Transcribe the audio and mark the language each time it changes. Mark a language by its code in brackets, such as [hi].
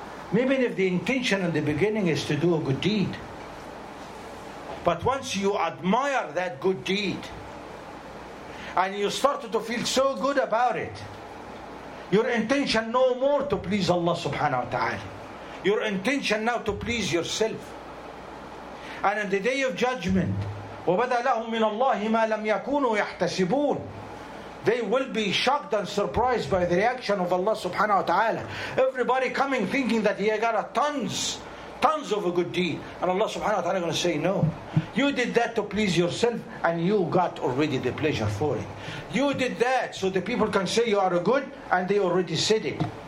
[en] Maybe if the intention in the beginning is to do a good deed, but once you admire that good deed and you start to feel so good about it, your intention no more to please Allah subhanahu wa ta'ala. Your intention now to please yourself. And in the day of judgment, [ar] وَبَدَى لَهُمْ مِنَ اللَّهِ مَا لَمْ يَكُونُوا يَحْتَسِبُونَ. [en] They will be shocked and surprised by the reaction of Allah subhanahu wa ta'ala. Everybody coming thinking that he got a tons of a good deed. And Allah subhanahu wa ta'ala is going to say, no. You did that to please yourself and you got already the pleasure for it. You did that so the people can say you are a good and they already said it.